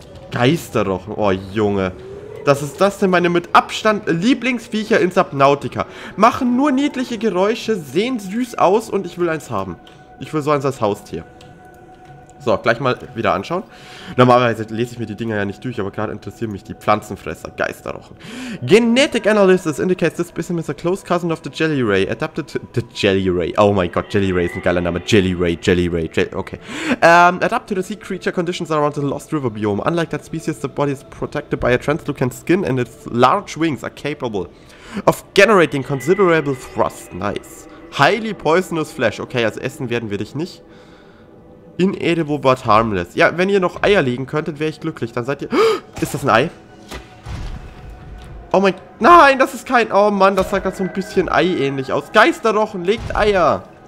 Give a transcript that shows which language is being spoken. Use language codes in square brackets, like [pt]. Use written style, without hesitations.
[de] Geisterrochen. Oh, Junge. Das ist das denn meine mit Abstand Lieblingsviecher in Subnautica. Machen nur niedliche Geräusche, sehen süß aus und ich will eins haben. Ich will so eins als Haustier. So, gleich mal wieder anschauen. Normalerweise lese ich mir die Dinger ja nicht durch, aber gerade interessieren mich die Pflanzenfresser. Geisterrochen. [en] Genetic Analysis indicates this specimen is a close cousin of the Jelly Ray. Adapted to the Jelly Ray. [de] Oh mein Gott, Jelly Ray ist ein geiler Name. Okay. [en] Adapted to the sea creature conditions around the Lost River Biome. Unlike that species, the body is protected by a translucent skin and its large wings are capable of generating considerable thrust. Nice. Highly poisonous flesh. [de] Okay, also essen werden wir dich nicht. [en] Inedible but harmless. [de] Ja, wenn ihr noch Eier legen könntet, wäre ich glücklich. Dann seid ihr... Ist das ein Ei? Oh mein... Nein, das ist kein... Oh Mann, das sah gerade so ein bisschen Ei-ähnlich aus. Geisterrochen, legt Eier.